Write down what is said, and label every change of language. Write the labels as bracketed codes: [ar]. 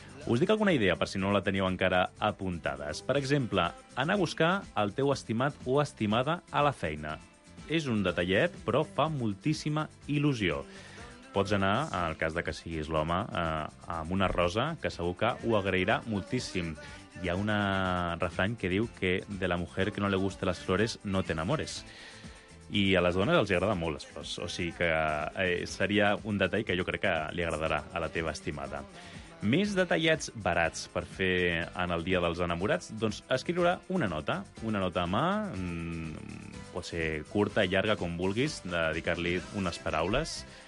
[ca] Us dic alguna idea, per si no la teniu encara apuntades. Per exemple, anar a buscar el teu estimat o estimada a la feina. És un detallet, però fa moltíssima il·lusió. Pots anar, en el cas de que siguis l'home, amb una rosa, que segur que ho agrairà moltíssim. Hi ha un refrany que diu que [es] de la mujer que no le guste las flores no te enamores. [ca] I a les dones els agraden molt les flors. O sigui que seria un detall que jo crec que li agradarà a la teva estimada. Més detallets barats per fer en el Dia dels Enamorats, doncs escriure una nota a mà, pot ser curta, llarga, com vulguis, dedicar-li unes paraules.